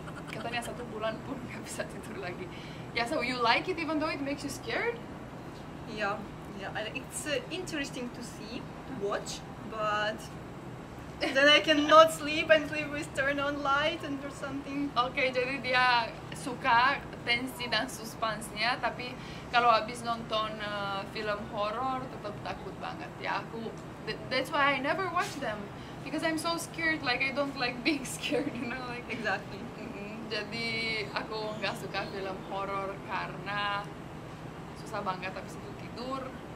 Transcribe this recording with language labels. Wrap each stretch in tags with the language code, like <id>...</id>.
<id>Katanya satu bulan pun nggak bisa tidur lagi.</id> <en>Yeah, so you like it even though it makes you scared? Yeah. Yeah, it's interesting to see, watch, but then I cannot sleep and sleep with turn on light and or something.</en> <id>Okay, jadi dia suka tensi dan suspansnya, tapi kalau habis nonton film horror tetap takut banget.</id> <en>Ya, aku that's why I never watch them because I'm so scared. Like I don't like being scared, you know? Like exactly.</en> <id>Jadi aku nggak suka film horror karena susah banget habis itu tidur.</id>